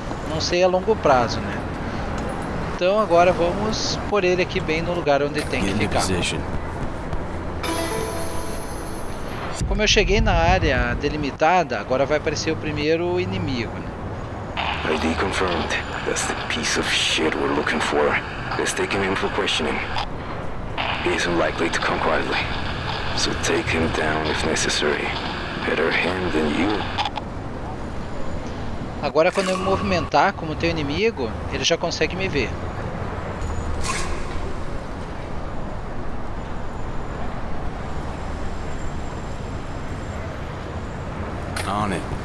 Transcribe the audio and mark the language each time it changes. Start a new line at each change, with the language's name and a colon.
Portuguese: Não sei a longo prazo, né? Então agora vamos pôr ele aqui bem no lugar onde tem que ficar. Como eu cheguei na área delimitada, agora vai aparecer o primeiro inimigo, né?
English: ID confirmed. That's the piece of shit we're looking for. Let's take him in for questioning. He isn't likely to come quietly. So take him down if necessary. Better him than you.
Portuguese: Agora quando eu me movimentar como teu inimigo, ele já consegue me ver.
English: On it.